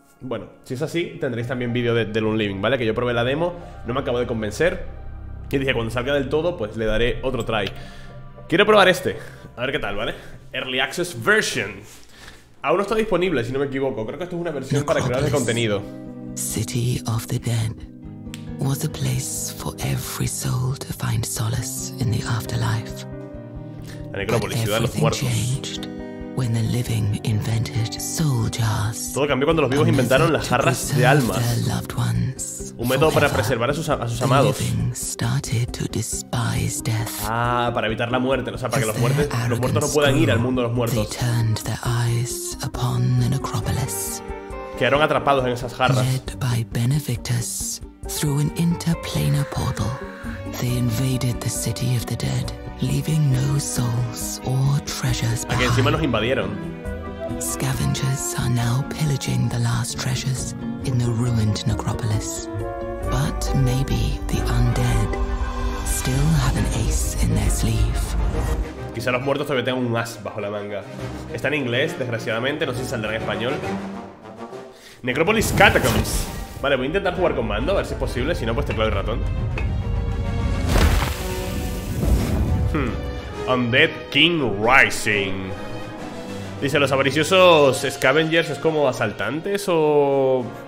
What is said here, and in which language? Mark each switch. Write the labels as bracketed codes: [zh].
[es] Bueno, si es así, tendréis también vídeo de un living, ¿vale? Que yo probé la demo, no me acabo de convencer, y dije, cuando salga del todo, pues le daré otro try. Quiero probar este, a ver qué tal, ¿vale? Early Access Version. Aún no está disponible, si no me equivoco. Creo que esto es una versión para crear de contenido. [en] City of the Dead was a place for every soul to find solace in the afterlife. [es] La necrópolis, ciudad de los muertos. [en] Changed when the living invented soul jars. [es] Todo cambió cuando los vivos inventaron las jarras de almas. [en] Their loved ones. [es] Un método para preservar a sus amados. [en] The living started to despise death. [es] Ah, para evitar la muerte, o sea, para que los muertos no puedan ir al mundo de los muertos. [en] They turned their eyes upon the necropolis. [es] Quedaron atrapados en esas jarras. [en] Led by Benedictus. Through an interplanar portal, they invaded the city of the dead, leaving no souls or treasures behind. [es] Aquí encima nos invadieron. [en] Scavengers are now pillaging the last treasures in the ruined necropolis. But maybe the undead still have an ace in their sleeve. [es] Quizá los muertos todavía tengan un as bajo la manga. Está en inglés, desgraciadamente, no sé si saldrá en español. Necropolis Catacombs. Vale, voy a intentar jugar con mando, a ver si es posible. Si no, pues teclado y ratón. Undead King Rising. Dice, los avariciosos scavengers es como asaltantes o...